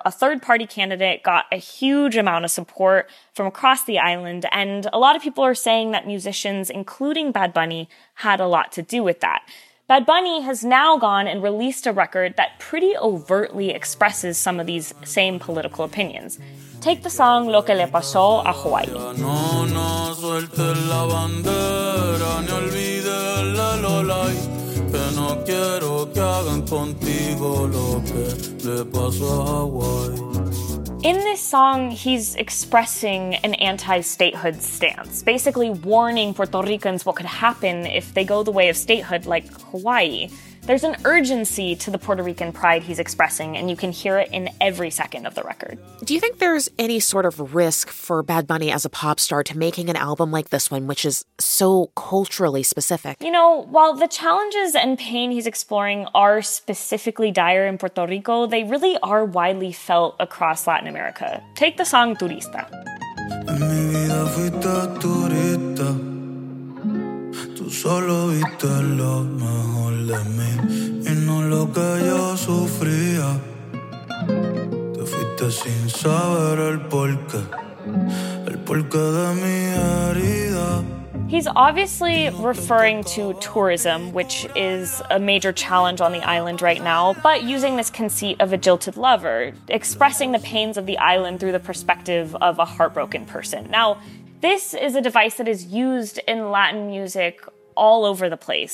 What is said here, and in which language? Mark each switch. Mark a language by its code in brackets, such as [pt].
[en] A third-party candidate got a huge amount of support from across the island, and a lot of people are saying that musicians, including Bad Bunny, had a lot to do with that. Bad Bunny has now gone and released a record that pretty overtly expresses some of these same political opinions. Take the song Lo Que Le Pasó a Hawaii. [es] No, no sueltes la bandera, ni olvides la lolay, que no quiero que hagan contigo lo que le pasó a Hawaii. [en] In this song, he's expressing an anti-statehood stance, basically warning Puerto Ricans what could happen if they go the way of statehood like Hawaii. There's an urgency to the Puerto Rican pride he's expressing, and you can hear it in every second of the record. Do you think there's any sort of risk for Bad Bunny as a pop star to making an album like this one, which is so culturally specific? You know, while the challenges and pain he's exploring are specifically dire in Puerto Rico, they really are widely felt across Latin America. Take the song Turista. [es] En mi vida fuiste turista. Tú solo viste lo mejor de mí y no lo que yo sufría. Te fuiste sin saber el porqué de mi herida. [en] He's obviously referring to tourism, which is a major challenge on the island right now, but using this conceit of a jilted lover, expressing the pains of the island through the perspective of a heartbroken person. Now, this is a device that is used in Latin music all over the place.